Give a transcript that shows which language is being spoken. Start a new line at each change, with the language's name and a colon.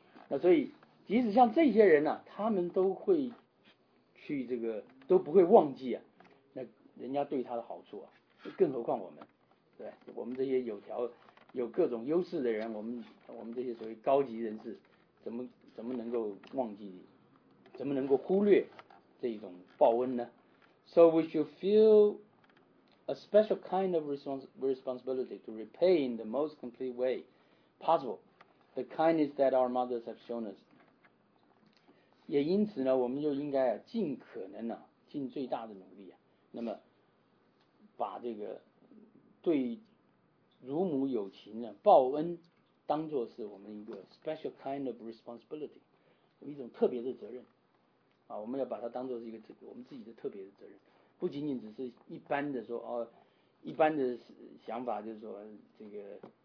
Chinese: 那所以即使像这些人呢、啊，他们都会去这个都不会忘记啊，那人家对他的好处啊，更何况我们，对，我们这些有各种优势的人，我们这些所谓高级人士，怎么能够忘记，怎么能够忽略这一种报恩呢？
English: So we should feel a special kind of responsibility to repay in the most complete way possible the kindness that our mothers have shown us.
Chinese: 也因此呢，我们就应该尽可能呢、尽最大的努力啊，那么把这个对乳母有情呢，报恩当作是我们一个
English: special kind of responsibility，
Chinese: 一种特别的责任啊，我们要把它当作是一个我们自己的特别的责任，不仅仅只是一般的说哦，一般的想法就是说这个